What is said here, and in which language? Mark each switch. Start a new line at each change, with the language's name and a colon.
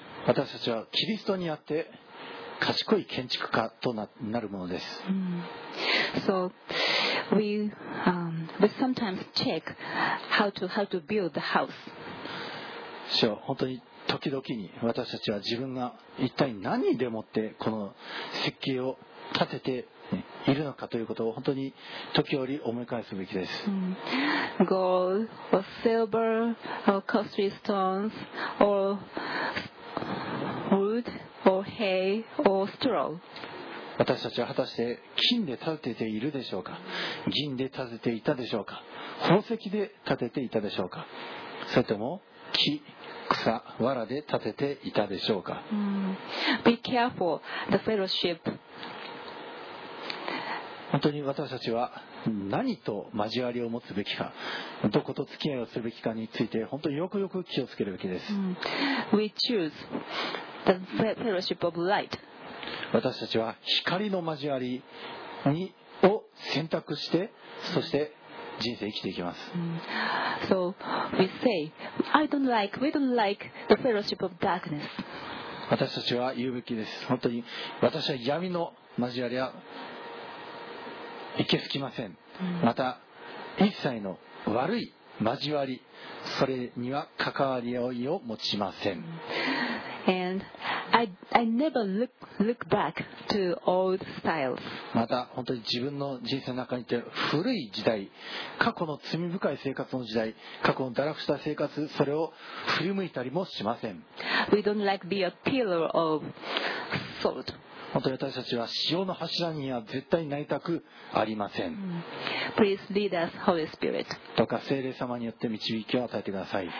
Japanese: 私たちはキリストにあって賢い建築家となるものです。
English: So we sometimes check how to build the house.
Japanese: 主は本当に時々に私たちは自分が一体何でもってこの設計を立てているのかということを本当に時折思い返すべきです。
English: Gold or silver or costly stones or wood or hay or straw.
Japanese: 私たちは果たして金で建てているでしょうか、銀で建てていたでしょうか、宝石で建てていたでしょうか、それとも木、草、藁で建てていたでしょうか。
English: Be careful the fellowship.
Japanese: 本当に私たちは何と交わりを持つべきか、どこと付き合いをするべきかについて本当によくよく気をつけるべきです。
English: We choose the fellowship of light.
Japanese: 私たちは光の交わりにを選択して、そして人生生きていきます。
English: So we say we don't like the fellowship of darkness.
Japanese: 私たちは言うべきです。本当に私は闇の交わりは行けすきません。また一切の悪い交わり、それには関わり合いを持ちません。
English: AndI never look back to old styles.
Japanese: また本当に自分の人生の中にて古い時代、過去の罪深い生活の時代、過去の堕落した生活、それを振り向いたりもしません。
English: We don't like be a pillar of salt.
Japanese: 本当に私たちは塩の柱には絶対なりたくありません。
English: Please lead us Holy Spirit.
Japanese: どうか聖霊様によって導きを与えてください。